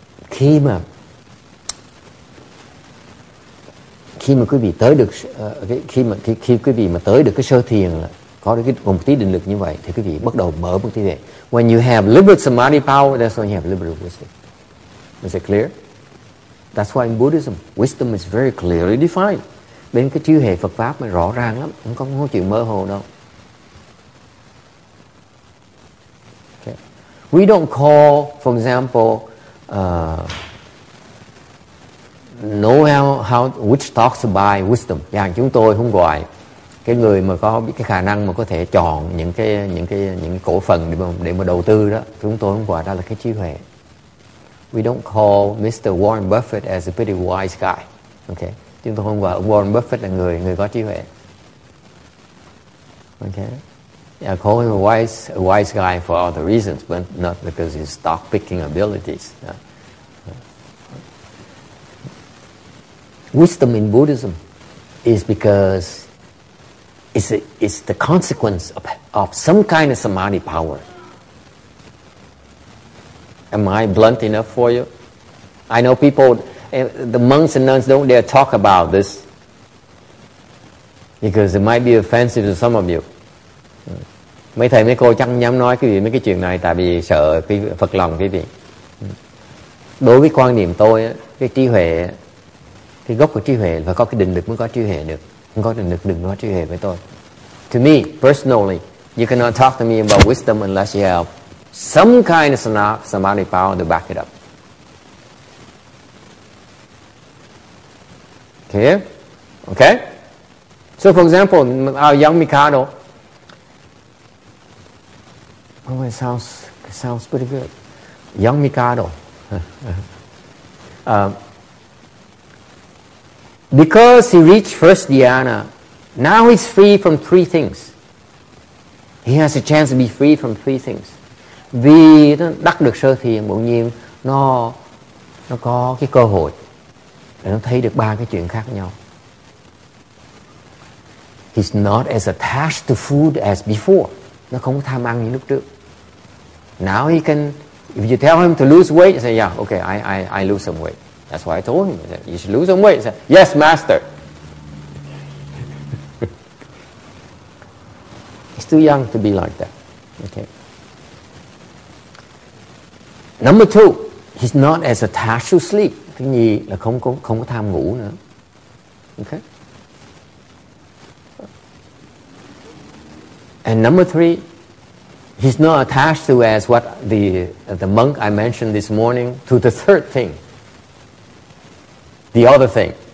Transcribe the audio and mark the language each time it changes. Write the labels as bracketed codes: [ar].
[vi] Khi mà quý vị tới được khi quý vị mà tới được cái sơ thiền là có được cái một tí định lực như vậy thì quý vị bắt đầu mở một tí về. [en] When you have liberal samadhi power, that's when you have liberal wisdom. Is it clear? That's why in Buddhism, wisdom is very clearly defined. [vi] Bên cái chư hệ Phật pháp mà rõ ràng lắm, không có chuyện mơ hồ đâu. [en] Okay. We don't call, for example, know how which talks by wisdom. [vi] Dạ, chúng tôi không gọi cái người mà có cái khả năng mà có thể chọn những cái cổ phần để mà đầu tư đó, chúng tôi không gọi đó là cái trí huệ. [en] We don't call Mr. Warren Buffett as a pretty wise guy. Okay. [vi] Chúng tôi không gọi Warren Buffett là người có trí huệ. [en] Okay. Yeah, call him a wise guy for other reasons, but not because his stock picking abilities. Yeah. Wisdom in Buddhism is because it's the consequence of some kind of samadhi power. Am I blunt enough for you? I know people, the monks and nuns don't dare talk about this because it might be offensive to some of you. [vi] Mấy thầy mấy cô chẳng dám nói quý vị mấy cái chuyện này tại vì sợ cái Phật lòng quý vị. Đối với quan điểm tôi, cái trí huệ, cái gốc của trí huệ và có cái định lực mới có trí huệ được. Không có định lực đừng nói trí huệ với tôi. [en] To me, personally, you cannot talk to me about wisdom unless you have some kind of samadhi power to back it up. Clear? Okay? So for example, our young Mikado. Oh, it sounds pretty good. Young Mikado. Because he reached first dhyana, now he's free from three things. He has a chance to be free from three things. [vi] Vì nó đắc được sơ thiền, bỗng nhiên nó có cái cơ hội để nó thấy được ba cái chuyện khác nhau. [en] He's not as attached to food as before. [vi] Nó không có tham ăn như lúc trước. [en] Now he can, if you tell him to lose weight, he'll say, yeah, okay, I lose some weight. That's why I told him. I said, you should lose some weight. He said, yes, master. He's too young to be like that. Okay. Number two, he's not as attached to sleep. [vi] Thứ nhì là không có tham ngủ nữa. [en] Okay. And number three, he's not attached to as what the monk I mentioned this morning to the third thing. The other thing.